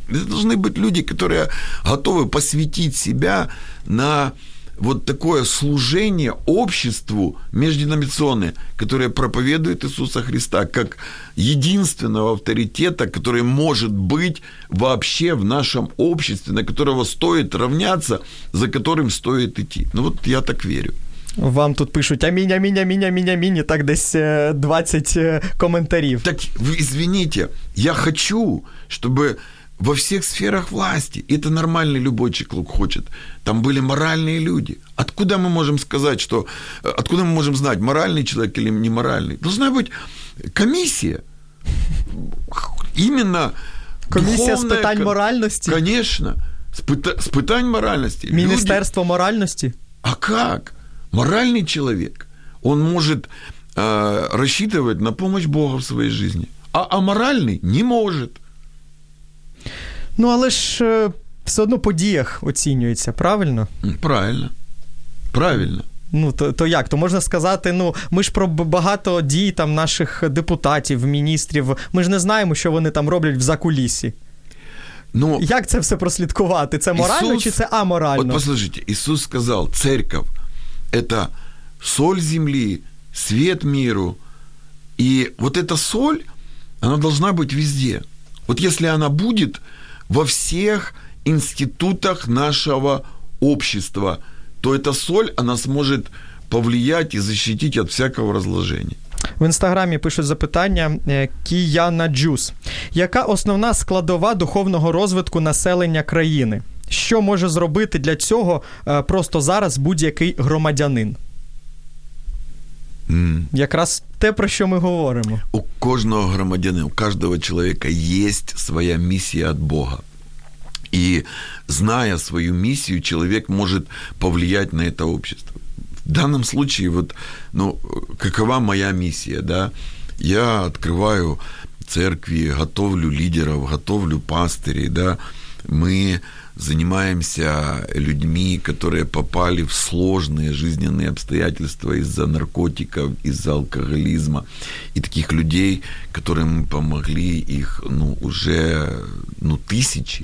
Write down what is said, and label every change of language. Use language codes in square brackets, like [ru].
[ru] Это должны быть люди, которые готовы посвятить себя на вот такое служение обществу междинаминационное, которое проповедует Иисуса Христа как единственного авторитета, который может быть вообще в нашем обществе, на которого стоит равняться, за которым стоит идти. Ну вот я так верю. [uk] Вам тут пишуть амінь, так десь 20 коментарів. Так, ви извините, я хочу, щоб во всіх сферах власті, і це нормальний любой чоловік хоче, там були моральні люди. Откуда ми можемо сказати, що, откуда ми можемо знати, моральний чоловік чи неморальний? Должна бути комісія, іменно духовна... Комісія з питань моральності? Звісно, з питань моральності. Міністерство моральності? А як? [ru] Моральный человек, он может рассчитывать на помощь Бога в своей жизни, а аморальный не может. [uk] Ну, але ж все одно по діях оцінюється, правильно? Правильно, правильно. Ну, то як? То можна сказати, ну, ми ж про багато дій там наших депутатів, міністрів, ми ж не знаємо, що вони там роблять в закулісі. Ну, як це все прослідкувати? Це морально Ісус, чи це аморально? От послухайте, Ісус сказав, церков, [ru] это соль земли, свет миру. И вот эта соль, она должна быть везде. Вот если она будет во всех институтах нашего общества, то эта соль, она сможет повлиять и защитить от всякого разложения. [uk] В Інстаграмі пишуть запитання Кіяна Джус. Яка основна складова духовного розвитку населення країни? Що може зробити для цього просто зараз будь-який громадянин? Mm. Якраз те, про що ми говоримо. У кожного громадянина, у кожного чоловіка є своя місія від Бога. І, зная свою місію, чоловік може повлиять на це общество. В даному випадку, вот, [ru] ну, какова моя [uk] місія? Да? Я відкриваю церкви, готовлю лідерів, готовлю пастирів. [ru] Да? Ми занимаемся людьми, которые попали в сложные жизненные обстоятельства из-за наркотиков, из-за алкоголизма. И таких людей, которым мы помогли, их, ну, уже, ну, тысячи.